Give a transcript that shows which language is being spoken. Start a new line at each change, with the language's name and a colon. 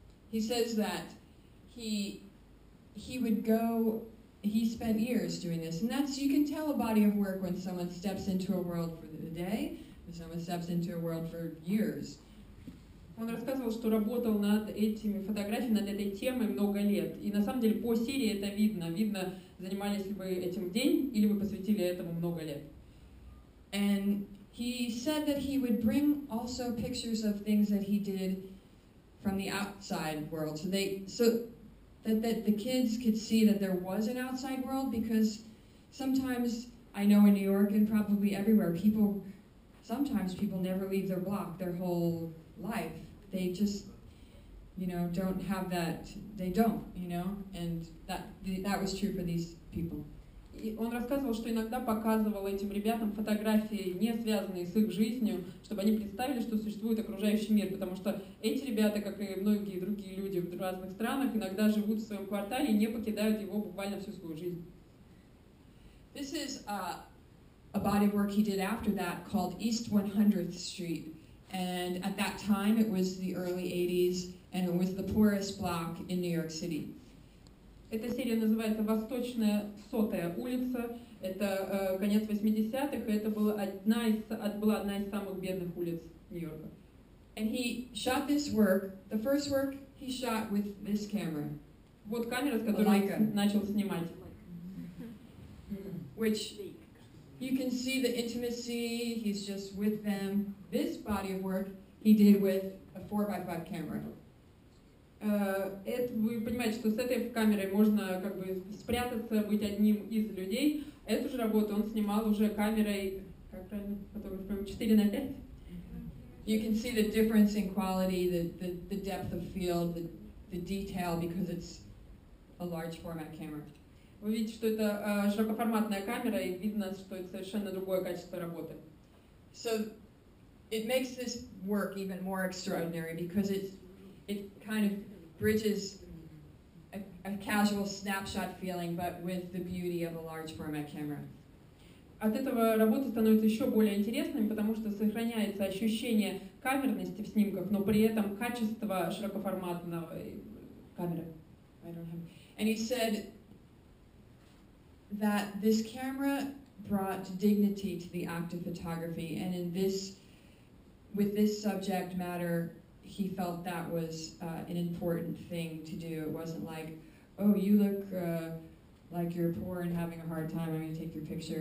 English: He says that he would go, he spent years doing this, and that's, you can tell a body of work when someone steps into a world for the day, when someone steps into a world for years.
Russian: Он рассказывал, что работал над этими фотографиями, над этой темой много лет, и на самом деле по серии это видно. Видно, занимались ли вы этим день, или вы посвятили этому много лет.
English: And he said that he would bring also pictures of things that he did from the outside world, so that the kids could see that there was an outside world, because sometimes, I know in New York and probably everywhere, sometimes people never leave their block their whole life. They just, don't have that, and that was true for these people.
Russian: И он рассказывал, что иногда показывал этим ребятам фотографии, не связанные с их жизнью, чтобы они представили, что существует окружающий мир, потому что эти ребята, как и многие другие люди в разных странах, иногда живут в своем квартале и не покидают его буквально всю свою жизнь.
English: This is a body of work he did after that called East 100th Street. And at that time it was the early 80s, and it was the poorest block in New York City.
Russian: Эта серия называется «Восточная сотая улица». Это конец 80-х, и это была одна из самых бедных улиц Нью-Йорка.
English: And he shot this work, the first work he shot with this camera.
Russian: Вот камера, с которой он начал снимать.
English: Which you can see the intimacy, he's just with them. This body of work he did with a 4x5 camera.
Russian: Это вы понимаете, что с этой камерой можно как бы спрятаться, быть одним из людей. Эту же работу он снимал уже камерой, как правильно, фотографом 4x5.
English: You can see the difference in quality, the depth of field, the detail, because it's a large format camera.
Russian: Вы видите, что это широкоформатная камера, и видно, что это совершенно другое качество работы.
English: So it makes this work even more extraordinary because it kind of bridges a casual snapshot feeling, but with the beauty of a large format camera.
Russian: От этого работа становится еще более интересной, потому что сохраняется ощущение камерности в снимках, но при этом качество широкоформатного камеры.
English: I don't have... And he said that this camera brought dignity to the act of photography, and in this, with this subject matter, he felt that was an important thing to do. It wasn't like, oh, you look like you're poor and having a hard time, I'm going to take your picture.